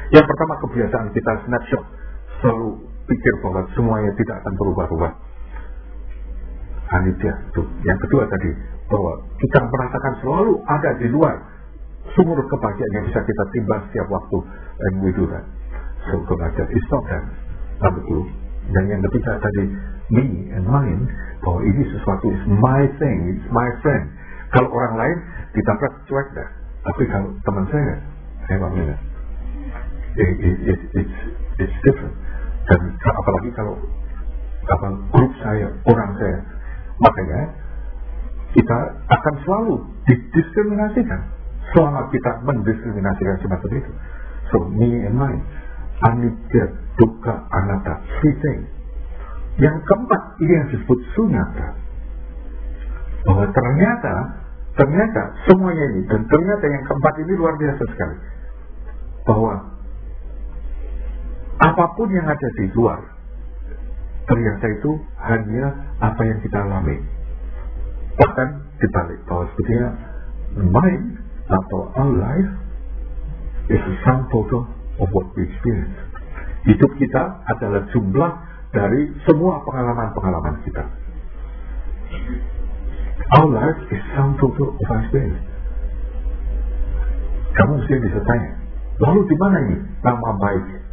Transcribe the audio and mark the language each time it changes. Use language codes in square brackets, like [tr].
[id] Yang pertama kebiasaan kita snapshot, selalu pikir bahwa semuanya tidak akan berubah-ubah. Anicca itu. Yang kedua tadi, bahwa kita merasakan selalu ada di luar sumber kebahagiaan yang bisa kita timba setiap waktu. [en] And we do that. So kebahagiaan is not that. Number two. [id] Dan yang ketiga tadi, me and mine, bahwa ini sesuatu [en] is my thing, it's my friend. [id] Kalau orang lain, ditabrak cuek dah. Tapi kalau teman saya, emang ini. [en] It's different. [id] Dan apalagi kalau apa, grup saya, orang saya, makanya kita akan selalu didiskriminasikan selama kita mendiskriminasikan semacam itu. [en] So me and mine, anicca, dukkha, anatta, three things. [id] Yang keempat ini yang disebut sunyata. Bahwa ternyata semuanya ini, dan ternyata yang keempat ini luar biasa sekali, bahwa apapun yang ada di luar ternyata itu hanya apa yang kita alami. Bahkan dibalik, bahwa sebetulnya [en] mind atau our life is a sum total of what we experience. [id] Hidup kita adalah jumlah dari semua pengalaman-pengalaman kita. [en] Our life is sum total of our experience. [id] Kamu mesti bisa tanya, lalu di mana ini nama baik?